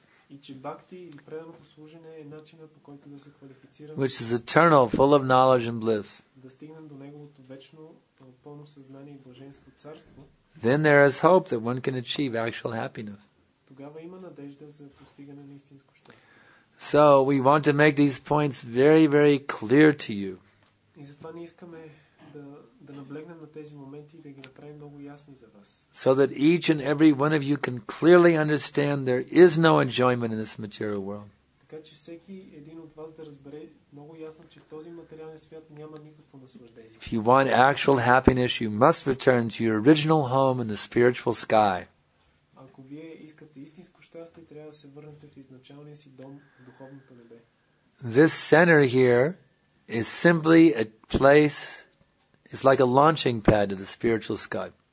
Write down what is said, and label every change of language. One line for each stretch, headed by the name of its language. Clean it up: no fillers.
Bulgarian: и че бхакти или преданото служене е начинът, по който да се квалифицирам,
English: which is eternal, full of knowledge and bliss,
Bulgarian: да стигнем до неговото вечно пълно съзнание и блаженство царство,
English: then there is hope that one can achieve actual happiness.
Bulgarian: Тогава има надежда за постигане на истинско щастие.
English: So we want to make these points very, very clear to you.
Bulgarian: И затова ние искаме да наблегнем на тези моменти и да ги направим много ясни за вас.
English: So that each and every one of you can clearly understand there is no enjoyment in this material world.
Bulgarian: Така че всеки един от вас да разбере много ясно, че в този материален свят няма никакво наслаждение.
English: If you want actual happiness, you must return to your original home in the spiritual sky.
Bulgarian: Ако вие искате истинско щастие, трябва да се върнете в изначалния си дом, в духовното небе.
English: This center here is simply a place, it's like a launching pad to the spiritual sky.